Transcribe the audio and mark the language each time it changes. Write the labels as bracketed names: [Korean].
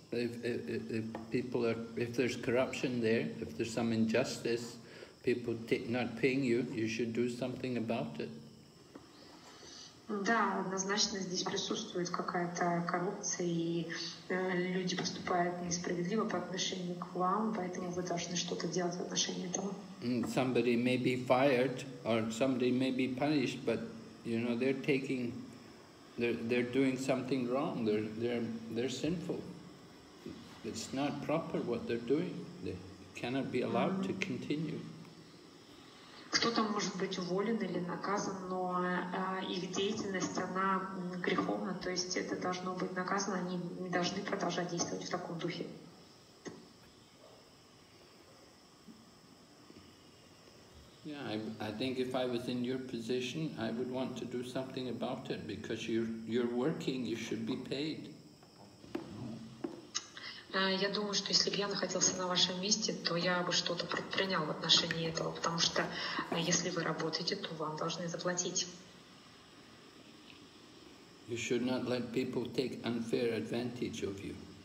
[English] If people are, if there's corruption there, if there's some injustice, people not paying you, you should do something about it. [Russian] Да, однозначно здесь присутствует какая-то коррупция, и люди поступают несправедливо по отношению к вам, поэтому вы должны что-то делать в отношении этого. [English] Somebody may be fired, or somebody may be punished, but you know they're taking, they're doing something wrong. They're sinful. It's not proper what they're doing. They cannot be allowed to continue. [Russian] Кто-то может быть уволен или наказан, но их деятельность, она греховна, то есть это должно быть наказано, они не должны продолжать действовать в таком духе. [English] Yeah, I think if I was in your position, I would want to do something about it, because you're working, you should be paid. [Russian] Я думаю, что если бы я находился на вашем месте, то я бы что-то предпринял в отношении этого, потому что если вы работаете, то вам должны заплатить. [English] You should not let people take unfair advantage of you.